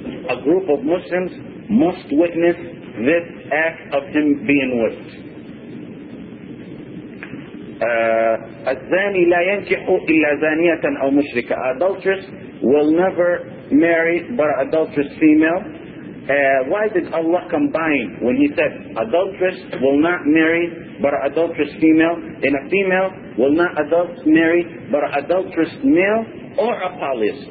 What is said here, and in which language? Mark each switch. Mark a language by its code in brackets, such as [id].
[en] A group of Muslims must witness this act of him being whipped. [ar] الزاني لا ينكح إلا زانية أو مشركة. [en] Adulteress will never marry but an adulterous female. Why did Allah combine when He said adulteress will not marry but an adulterous female, and a female will not marry but an adulterous male or a polyus?